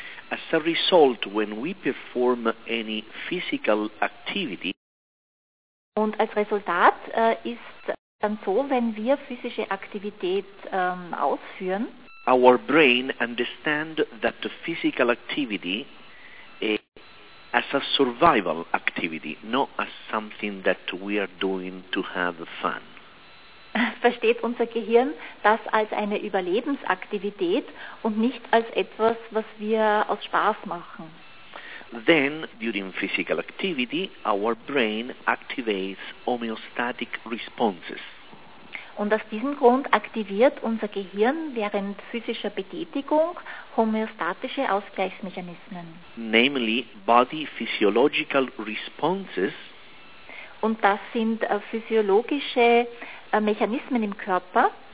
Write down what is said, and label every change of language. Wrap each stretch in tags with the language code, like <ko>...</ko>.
<en>As a result, when we perform any physical activity.</en> <de>Und als Resultat ist dann so, wenn wir physische Aktivität ausführen.</de> <en>Our brain understand that the physical activity as a survival activity, not as something that we are doing to have fun.</en> <de>Versteht unser Gehirn das als eine Überlebensaktivität und nicht als etwas, was wir aus Spaß machen.</de> <en>Then, during physical activity, our brain activates homeostatic responses.</en> <de>Und aus diesem Grund aktiviert unser Gehirn während physischer Betätigung homeostatische Ausgleichsmechanismen.</de> <en>Namely, body physiological responses.</en> <de>Und das sind physiologische Mechanismen im Körper.</de>